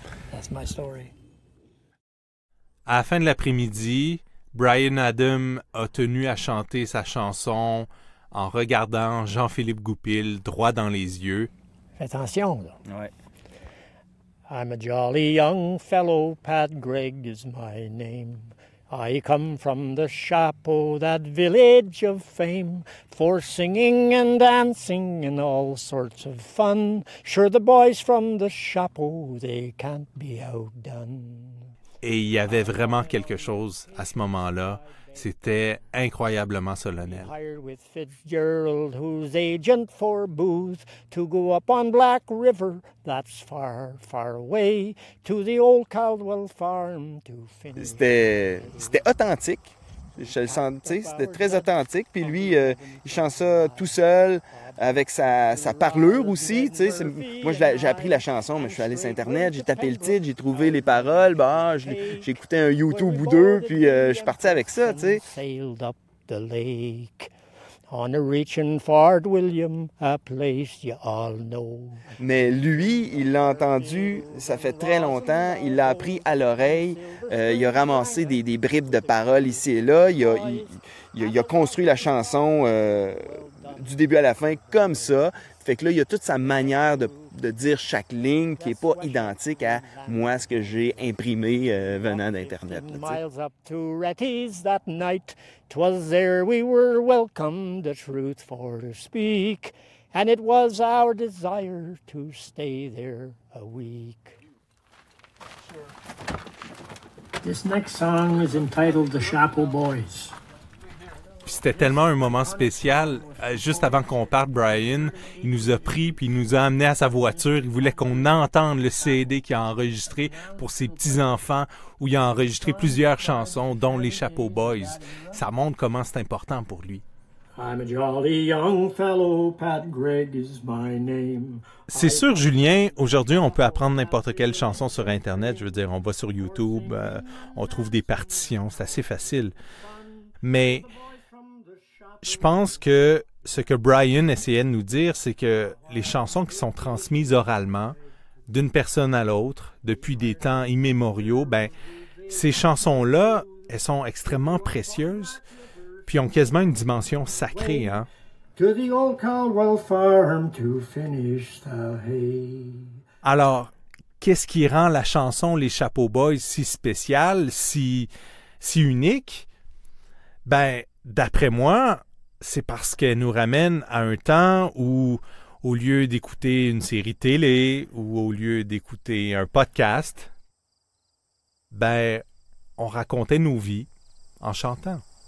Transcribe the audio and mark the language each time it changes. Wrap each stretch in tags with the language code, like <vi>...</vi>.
<en>That's my story.</en> <fr>À la fin de l'après-midi, Brian Adam a tenu à chanter sa chanson en regardant Jean-Philippe Goupil droit dans les yeux. Fais attention, là. Ouais.</fr> <en>I'm a jolly young fellow, Pat Gregg is my name. I come from the Chapeau, that village of fame, for singing and dancing and all sorts of fun. Sure, the boys from the Chapeau, they can't be outdone.</en> <fr>Et il y avait vraiment quelque chose à ce moment-là. C'était incroyablement solennel.</fr> <en>Hired with Fitzgerald, who's agent for Booth, to go up on Black River, that's far, far away, to the old Caldwell farm to finish.</en> <fr>C'était authentique. Je le sentais, c'était très authentique. Puis lui, il chante ça tout seul, avec sa parlure aussi. Tu sais, moi, j'ai appris la chanson, mais je suis allé sur Internet, j'ai tapé le titre, j'ai trouvé les paroles. J'ai écouté un YouTube ou deux, puis je suis parti avec ça. Tu sais.</fr> <en>Up the lake, on a reaching Fort William, a place you all know.</en> <fr>Mais lui, il l'a entendu, ça fait très longtemps, il l'a appris à l'oreille. Il a ramassé des bribes de paroles ici et là. Il a construit la chanson du début à la fin comme ça. Fait que là, il a toute sa manière de dire chaque ligne qui n'est pas identique à moi, ce que j'ai imprimé venant d'Internet.</fr> <en>Miles up to Retty's that night, 'twas there we were welcome, the truth for to speak, and it was our desire to stay there a week. This next song is entitled The Chapeau Boys.</en> <fr>Puis c'était tellement un moment spécial. Juste avant qu'on parte, Brian, il nous a pris puis il nous a amené à sa voiture. Il voulait qu'on entende le CD qu'il a enregistré pour ses petits-enfants, où il a enregistré plusieurs chansons, dont Les Chapeaux Boys. Ça montre comment c'est important pour lui.</fr> <en>I'm a jolly young fellow, Pat Gregg is my name.</en> <fr>C'est sûr, Julien, aujourd'hui, on peut apprendre n'importe quelle chanson sur Internet. Je veux dire, on va sur YouTube, on trouve des partitions, c'est assez facile. Mais je pense que ce que Brian essayait de nous dire, c'est que les chansons qui sont transmises oralement, d'une personne à l'autre, depuis des temps immémoriaux, ben ces chansons-là, elles sont extrêmement précieuses, puis ont quasiment une dimension sacrée, hein?</fr> <en>To the old Caldwell farm to finish the hay.</en> <fr>Alors, qu'est-ce qui rend la chanson Les Chapeaux Boys si spéciale, si unique? Ben, d'après moi, c'est parce qu'elle nous ramène à un temps où, au lieu d'écouter une série télé ou au lieu d'écouter un podcast, ben, on racontait nos vies en chantant.</fr>